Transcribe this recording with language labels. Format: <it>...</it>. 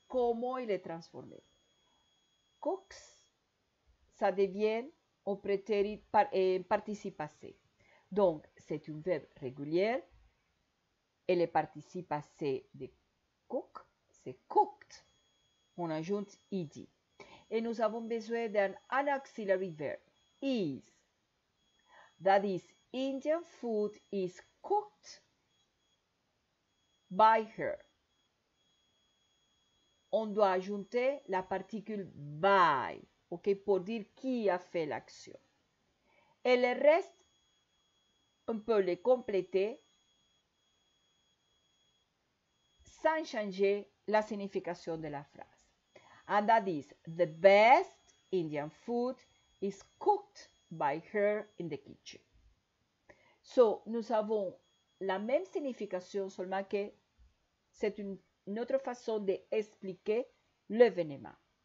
<fr>Comment il est transformé? Cooks, ça devient au prétérit participe passé. Donc, c'est un verbe régulier. Et le participe passé de cook, c'est cooked. On ajoute ed. Et nous avons besoin d'un</fr> <en>auxiliary verb,</en> <fr>is.</fr> <en>That is, Indian food is cooked by her.</en> <fr>On doit ajouter la particule by, ok, pour dire qui a fait l'action. Et le reste, on peut le compléter sans changer la signification de la phrase.</fr> <en>And that is, the best Indian food is cooked by her in the kitchen.</en> <fr>So, nous avons la même signification, seulement que c'est une autre façon d'expliquer l'événement.</fr>